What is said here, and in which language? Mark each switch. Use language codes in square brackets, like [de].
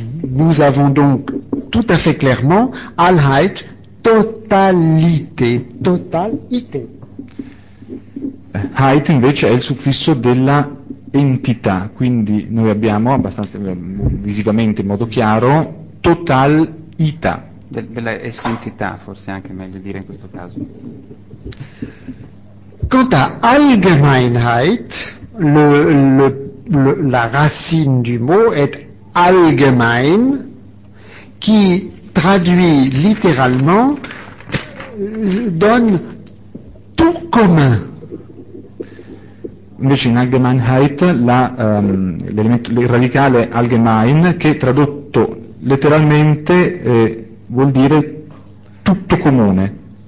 [fr] Nous avons donc tout à fait clairement Allheit. Totalité. [it] Height invece è il suffisso della entità, quindi noi abbiamo abbastanza visivamente in modo chiaro totalità. Della essentità, forse anche meglio dire in questo caso. [fr] Quant à Allgemeinheit, la racine du mot est Allgemein, qui traduit littéralement donne tout commun. [it] Invece in Allgemeinheit il radicale Allgemein, che tradotto letteralmente vuol dire tutto comune.